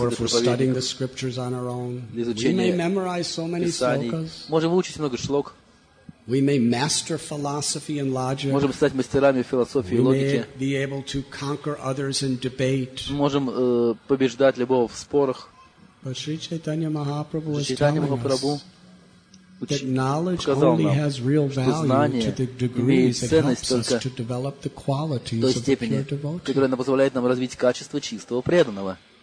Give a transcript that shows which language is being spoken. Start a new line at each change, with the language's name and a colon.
English: or if we're studying the scriptures on our own, we may memorize so many slokas.
Russian: Можем выучить много шлок.
English: We may master philosophy and logic.
Russian: Можем стать мастерами философии и логики.
English: We may be able to conquer others in debate.
Russian: Можем побеждать любого в спорах.
English: But Sri Chaitanya Mahaprabhu is telling us that knowledge only has real value to the degrees it helps us to develop the qualities of pure devotee.
Russian: Которая она позволяет нам развить качество чистого преданного.